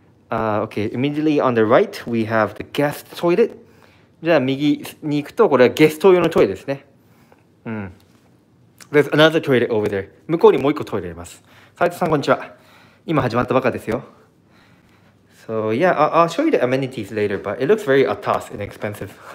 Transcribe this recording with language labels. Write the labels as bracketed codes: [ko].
[en] Okay, immediately on the right, we have the guest toilet. [ja] じゃあ右に行くとこれはゲスト用のトイレですね。 [en] うん。There's another toilet over there. [ja] 向こうにもう一個トイレあります。斉藤さんこんにちは。今始まったばかですよ。 [en] So yeah, I'll show you the amenities later, but it looks very atas and expensive.